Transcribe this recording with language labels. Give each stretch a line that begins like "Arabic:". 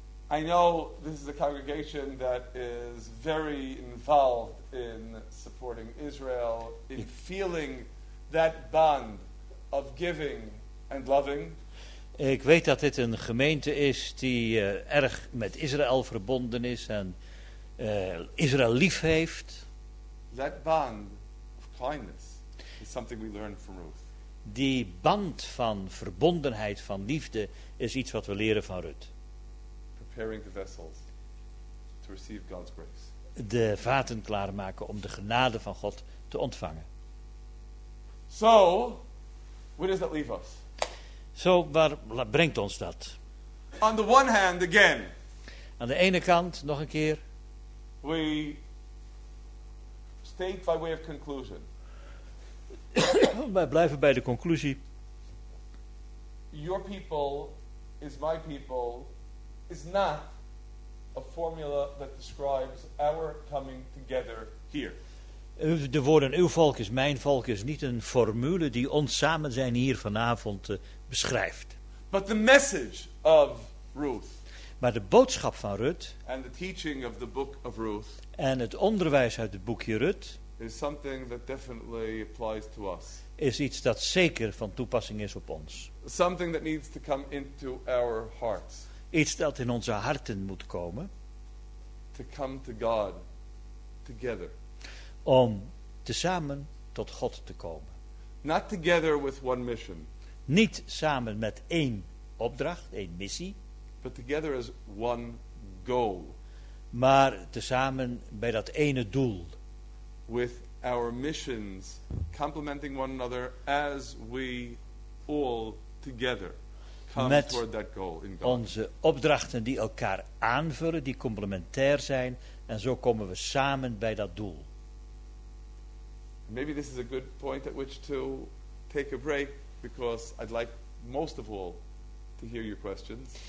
English: I know this is a congregation that is very involved in supporting Israel, in feeling that bond of giving and loving.
Dutch: Ik weet dat dit een gemeente is die erg met Israël verbonden is en Israël lief heeft.
English: That bond of kindness is something we learn from Ruth.
Dutch: Die band van verbondenheid, van liefde, is iets wat we leren van Rut.
English: Preparing the vessels to receive God's grace.
Dutch: De vaten klaarmaken om de genade van God te ontvangen.
English: So, where does that leave us?
Dutch: Zo, waar brengt ons dat?
English: On the one hand, again.
Dutch: Aan de ene kant, nog een keer.
English: We state by way of conclusion.
Dutch: Wij blijven bij de conclusie.
English: Your people is my people is not a formula that describes our coming together here.
Dutch: De woorden uw volk is mijn volk is niet een formule die ons samen zijn hier vanavond beschrijft.
English: But the message of Ruth,
Dutch: maar de boodschap van Rut,
English: and the teaching of the book of Ruth,
Dutch: en het onderwijs uit het boekje Rut,
English: is something that definitely applies to us.
Dutch: Is iets dat zeker van toepassing is op ons.
English: Something that needs to come into our hearts.
Dutch: Iets dat in onze harten moet komen.
English: To come to God together.
Dutch: Om tezamen tot God te komen.
English: Not together with one mission.
Dutch: Niet samen met één opdracht, één missie.
English: But together as one goal.
Dutch: Maar tezamen bij dat ene doel.
English: With our missions complementing one another as we all together come toward that goal in God.
Dutch: Met onze opdrachten die elkaar aanvullen, die complementair zijn, en zo komen we samen bij dat doel.
English: Maybe this is a good point at which to take a break, because I'd like most of all to hear your questions.